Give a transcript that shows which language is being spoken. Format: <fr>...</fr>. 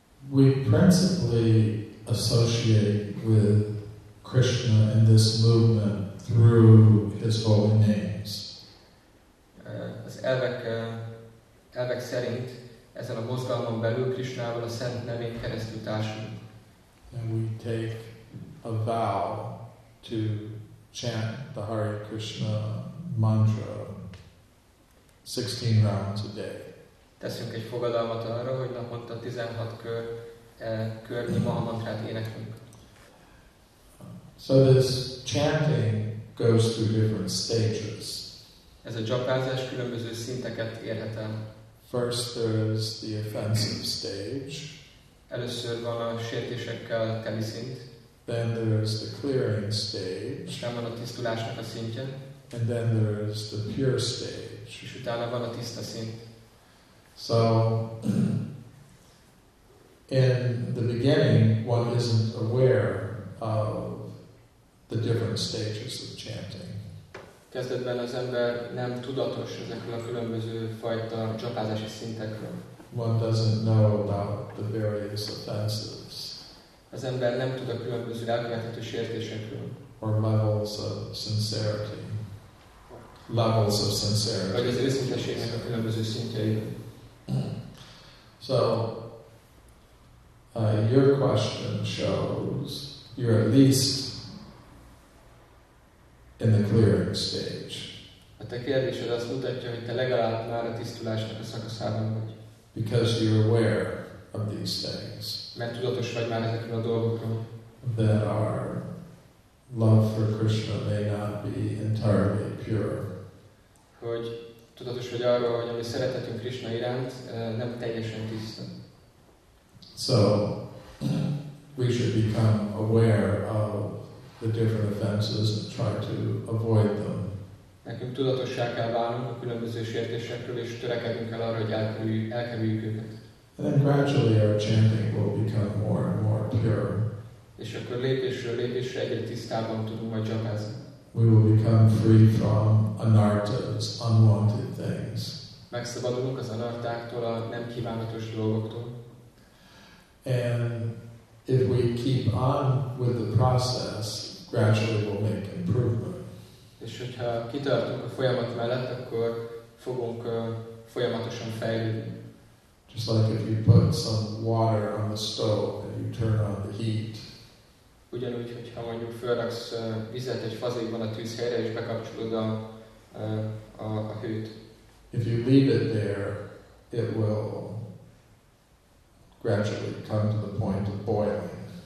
<en>We principally associate with Krishna in this movement through his holy name.</en> <hu>Az elvek szerint ezen a mozgalmon belül Krishnával a szent nevén keresztül társulunk.</hu> <en>And we take a vow to chant the Hare Krishna mantra 16 rounds a day.</en> <hu>Teszünk egy fogadalmat arra, hogy naponta 16 környi maha mantrát éneklünk.</hu> <en>So this chanting goes through different stages.</en> <hu>Ez a japázás különböző szinteket érhet el.</hu> <en>First there is the offensive stage.</en> <hu>Először van a sértésekkel teli szint.</hu> <en>Then there is the clearing stage.</en> <hu>Aztán van a tisztulásnak a szintje.</hu> <en>And then there is the pure stage.</en> <hu>És utána van a tiszta szint.</hu> <en>So, in the beginning, one isn't aware of the different stages of chanting.</en> <hu>Kezdetben az ember nem tudatos ezekről a különböző fajta japázási szintekről.</hu> <en>One doesn't know about the various offenses.</en> <hu>Az ember nem tud a különböző elkövethető sértésekről.</hu> <en>Or levels of sincerity. Levels of sincerity.</en> <hu>Vagy az őszinteségnek a különböző szintjei.</hu> <en>So, your question shows you're at least in the clearing stage.</en> <hu>A te kérdésed azt mutatja, hogy te legalább már a tisztulásnak a szakaszában vagy.</hu> <en>Because you're aware of these things.</en> <hu>Mert tudatos vagy már ezekről a dolgokról.</hu> <en>That our love for Krishna may not be entirely pure.</en> <hu>Hogy tudatos vagy arról, hogy a mi szeretetünk Krishna iránt nem teljesen tiszta.</hu> <en>So, we should become aware of the different offenses and try to avoid them.</en> <hu>Nekünk tudatossá kell válnunk a különböző sértésekről, és törekednünk el arra, hogy elkerüljük őket.</hu> <en>And then gradually our chanting will become more and more pure.</en> <hu>És akkor lépésről lépésre egyre tisztában tudunk majd japázni.</hu> <en>We will become free from anartas, unwanted things.</en> <hu>Megszabadulunk az anartáktól, a nem kívánatos dolgoktól.</hu> <en>And if we keep on with the process, gradually we'll make improvement.</en> <hu>És hogyha kitartunk a folyamat mellett, akkor fogunk folyamatosan fejlődni.</hu> <en>Just like if you put some water on the stove and you turn on the heat.</en> <hu>Ugyanúgy, hogyha mondjuk felraksz vizet egy fazékban a tűzhelyre, és bekapcsolod a hőt.</hu> <en>If you leave it there, it will gradually come to the point of boiling.</en>